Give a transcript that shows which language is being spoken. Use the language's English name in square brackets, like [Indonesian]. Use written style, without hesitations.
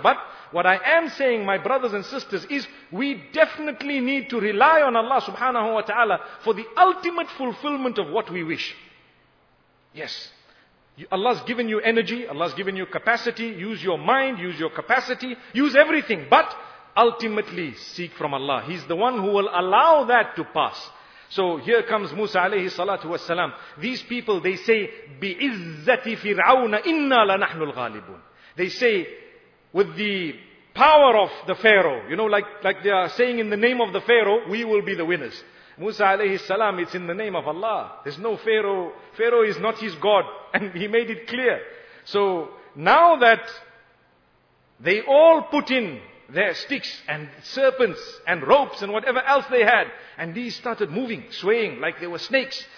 [English] But what I am saying, my brothers and sisters, is we definitely need to rely on Allah subhanahu wa ta'ala for the ultimate fulfillment of what we wish. Yes. Allah's given you energy. Allah's given you capacity. Use your mind. Use your capacity. Use everything. But ultimately seek from Allah. He's the one who will allow that to pass. So here comes Musa alayhi salatu wa salam. These people, they say, [Arabic] بِعِزَّةِ فِرْعَوْنَ إِنَّا لَنَحْنُ الْغَالِبُونَ. [English] They say, with the power of the Pharaoh, you know, like they are saying, in the name of the Pharaoh, we will be the winners. Musa alayhi salam, it's in the name of Allah. There's no Pharaoh. Pharaoh is not his God. And he made it clear. So now that they all put in their sticks and serpents and ropes and whatever else they had, and these started moving, swaying like they were snakes.